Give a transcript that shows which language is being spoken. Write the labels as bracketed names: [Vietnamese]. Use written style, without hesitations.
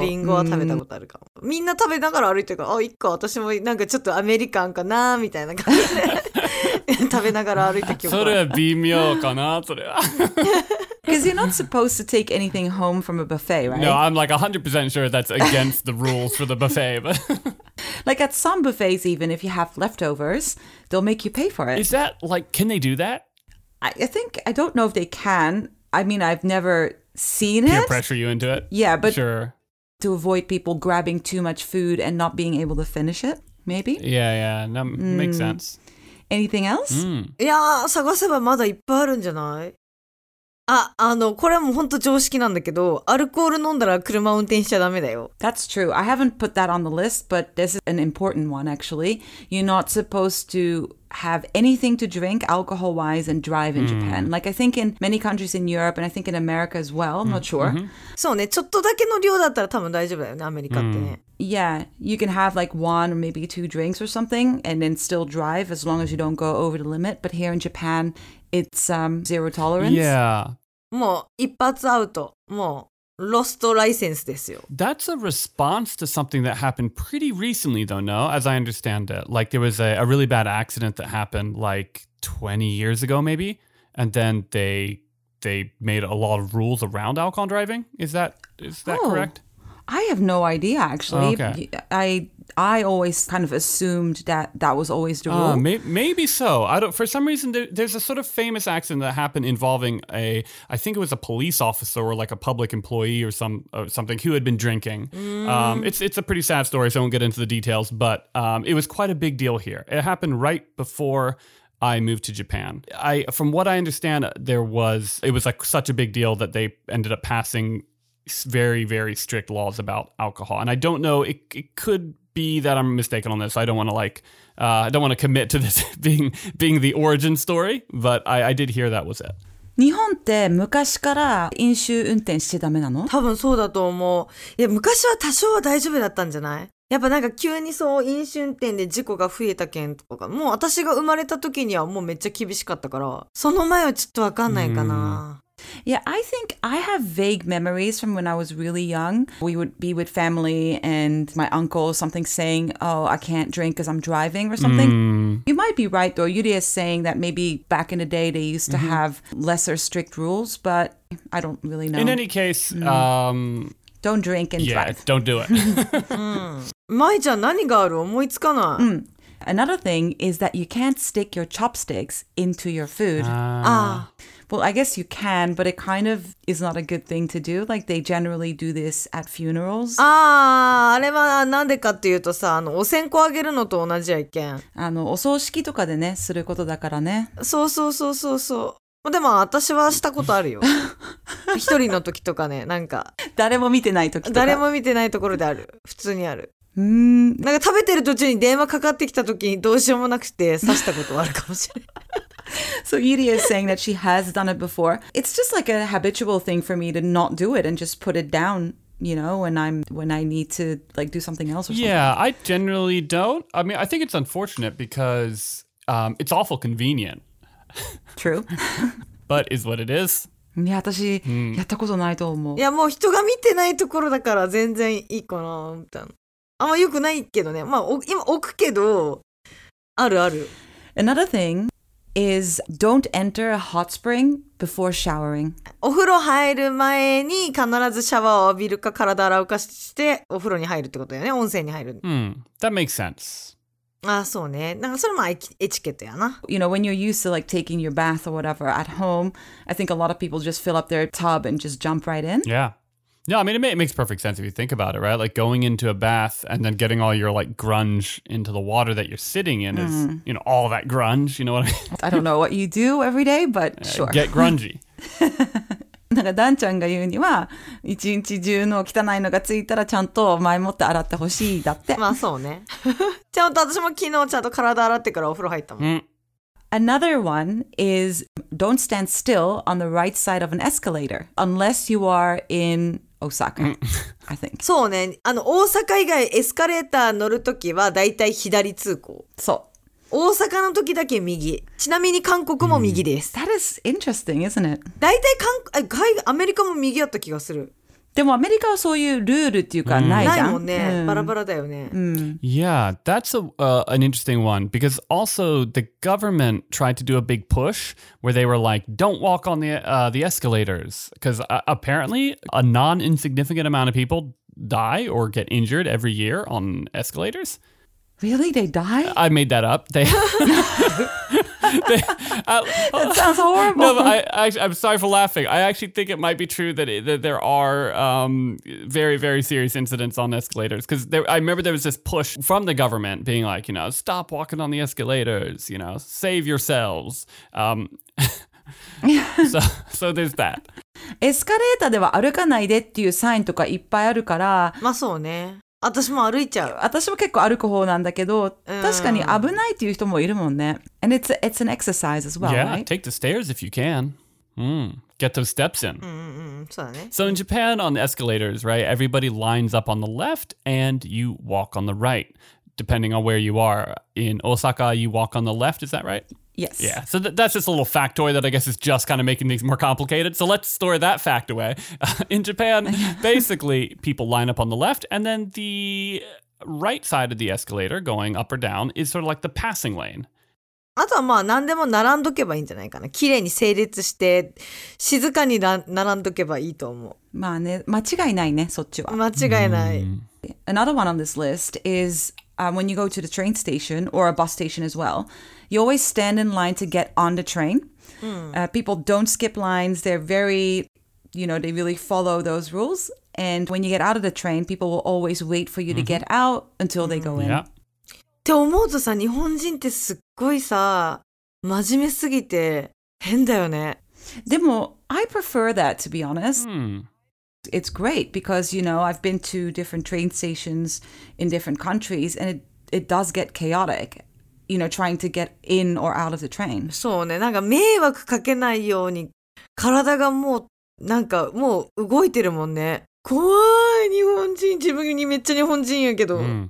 [Japanese] リンゴは食べたことあるかも。みんな食べながら歩いてるから、あ、一個私もなんかちょっとアメリカンかなみたいな感じで食べながら歩いた記憶はある。それは微妙かな、それは。 [English] Because you're not supposed to take anything home from a buffet, right? No, I'm like 100% sure that's against the rules for the buffet. But like at some buffets, even if you have leftovers, they'll make you pay for it. Is that like, can they do that? I don't know if they can. I mean, I've never seen it. Peer pressure you into it? Yeah, but sure. To avoid people grabbing too much food and not being able to finish it, maybe? Yeah, yeah. That makes sense. Anything else? [Japanese] Yeah, 探せばまだいっぱいあるんじゃない?これはもう本当常識なんだけど、アルコール飲んだら車運転しちゃダメだよ。 [English] That's true. I haven't put that on the list, but this is an important one, actually. You're not supposed to have anything to drink alcohol-wise and drive in Japan. Like, I think in many countries in Europe, and I think in America as well, I'm not sure. [Japanese] そうね、ちょっとだけの量だったら多分大丈夫だよね、アメリカってね。 [English] Yeah, you can have like one or maybe two drinks or something, and then still drive as long as you don't go over the limit. But here in Japan, it's zero tolerance. Yeah. [Japanese] もう一発アウト。もうロストライセンスですよ。 [English] That's a response to something that happened pretty recently, though, no? As I understand it. Like, there was a really bad accident that happened like 20 years ago, maybe? And then they made a lot of rules around alcohol driving? Is that correct? I have no idea, actually. Okay. I always kind of assumed that was always the rule. Maybe so. I don't. For some reason, there's a sort of famous accident that happened involving a, I think it was a police officer or like a public employee or something who had been drinking. It's a pretty sad story, so I won't get into the details, but it was quite a big deal here. It happened right before I moved to Japan. From what I understand, it was like such a big deal that they ended up passing very, very strict laws about alcohol. And I don't know, it could be that I'm mistaken on this. I don't want to like, I don't want to commit to this being the origin story, but I did hear that was it. [Japanese] 日本って昔から飲酒運転してダメなの? 多分そうだと思う。いや、昔は多少は大丈夫だったんじゃない?やっぱなんか急にそう飲酒運転で事故が増えた件とか、もう私が生まれた時にはもうめっちゃ厳しかったから、その前はちょっとわかんないかな。 [English] Yeah, I think I have vague memories from when I was really young. We would be with family and my uncle or something saying, oh, I can't drink because I'm driving or something. You might be right, though. Yuria is saying that maybe back in the day they used to have lesser strict rules, but I don't really know. In any case, don't drink and drive. Yeah, don't do it. [Japanese] Mai-chan, 何がある?思いつかない。 [English] Another thing is that you can't stick your chopsticks into your food. Ah. Well, I guess you can, but it kind of is not a good thing to do. Like, they generally do this at funerals. [Japanese] ああ、あれはなんでかっていうとさ、あのお線香あげるのと同じやけん。あのお葬式とかでね、することだからね。そうそうそうそうそう。でも私はしたことあるよ。一人の時とかね、なんか誰も見てない時とか、誰も見てないところである、普通にある。うーん、なんか食べてる途中に電話かかってきた時にどうしようもなくて刺したことはあるかもしれない。 [English] So Yuri is saying that she has done it before. It's just like a habitual thing for me to not do it and just put it down, you know, when I need to like do something else or something. Yeah, I generally don't. I mean, I think it's unfortunate because it's awful convenient. True. But is what it is. [Japanese] いや、私、やったことないと思う。いや、もう人が見てないところだから全然いいかな、みたいな。あんま良くないけどね。まあ、今置くけど、あるある。 [English] Another thing is don't enter a hot spring before showering. [Japanese] お風呂入る前に必ずシャワーを浴びるか体洗うかしてお風呂に入るってことだよね。温泉に入る。 [English] Mm. That makes sense. [Japanese] ああ、そうね。なんかそれもエチケットやな。 [English] You know, when you're used to like taking your bath or whatever at home, I think a lot of people just fill up their tub and just jump right in. Yeah. No, I mean, it makes perfect sense if you think about it, right? Like going into a bath and then getting all your like grunge into the water that you're sitting in is, you know, all that grunge, you know what I mean? I don't know what you do every day, but sure. Get grungy. [Japanese] なんかダンちゃんが言うには、一日中の汚いのがついたらちゃんと前もって洗ってほしいだって。まあそうね。ちゃんと私も昨日ちゃんと体洗ってからお風呂入ったもん。 [English] Another one is don't stand still on the right side of an escalator unless you are in Osaka, I think. [Japanese] そうね。あの大阪以外エスカレーター乗るときはだいたい左通行。そう。大阪の時だけ右。ちなみに韓国も右です。 Mm. [English] That is interesting, isn't it? [Japanese] 大体韓国、アメリカも右やった気がする。でもアメリカはそういうルールっていうかないじゃん。ないもんね。バラバラだよね。 [English] Yeah, that's an interesting one. Because also the government tried to do a big push where they were like, don't walk on the escalators. Because apparently a non-insignificant amount of people die or get injured every year on escalators. Really? They die? I made that up. that sounds horrible. No, but I'm sorry for laughing. I actually think it might be true that there are very, very serious incidents on escalators. Because I remember there was this push from the government being like, you know, stop walking on the escalators, you know, save yourselves. so there's that. [Japanese] エスカレーターでは歩かないでっていうサインとかいっぱいあるから。まあそうね。私も歩いちゃう。私も結構歩く方なんだけど、確かに危ないっていう人もいるもんね。 [English] And it's an exercise as well, yeah, Yeah, take the stairs if you can. Get those steps in. [Japanese] そうだね。 [English] So in Japan, on the escalators, right, everybody lines up on the left and you walk on the right, depending on where you are. In Osaka, you walk on the left, is that right? Yes. Yeah. So that's just a little factoid that I guess is just kind of making things more complicated. So let's store that fact away. In Japan, basically, people line up on the left, and then the right side of the escalator going up or down is sort of like the passing lane. [Japanese] あとはまあ何でも並んどけばいいんじゃないかな。綺麗に整列して静かに並んどけばいいと思う。まあね、間違いないね、そっちは。間違いない。 [English] Another one on this list is when you go to the train station or a bus station as well. You always stand in line to get on the train. People don't skip lines. They're very, you know, they really follow those rules. And when you get out of the train, people will always wait for you to get out until they go in. [Japanese] って思うとさ、日本人ってすっごいさ、真面目すぎて変だよね。でも、 [English] I prefer that, to be honest. It's great because, you know, I've been to different train stations in different countries and it does get chaotic. You know, trying to get in or out of the train. [Japanese] そうね、なんか迷惑かけないように体がもうなんかもう動いてるもんね。怖い、日本人、自分にめっちゃ日本人やけど。